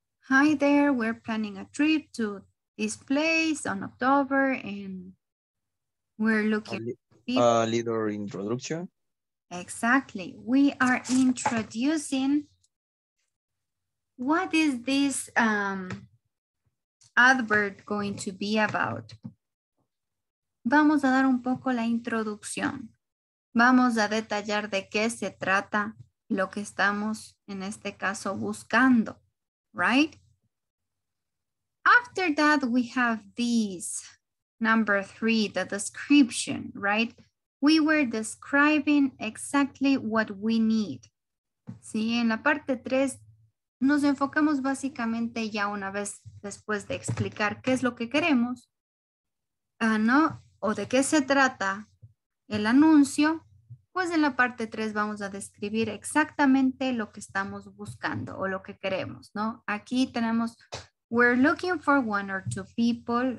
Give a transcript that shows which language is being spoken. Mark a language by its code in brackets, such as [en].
[en] Hi there, we're planning a trip to this place on October, and we're looking a little introduction. Exactly. We are introducing what is this advert going to be about. [es] Vamos a dar un poco la introducción. Vamos a detallar de qué se trata lo que estamos en este caso buscando, right? [en] After that, we have this number three, the description, right? We were describing exactly what we need. [es] Sí, en la parte tres nos enfocamos básicamente ya una vez después de explicar qué es lo que queremos, ¿no? O de qué se trata el anuncio. Pues en la parte 3 vamos a describir exactamente lo que estamos buscando o lo que queremos, ¿no? Aquí tenemos, [en] we're looking for one or two people.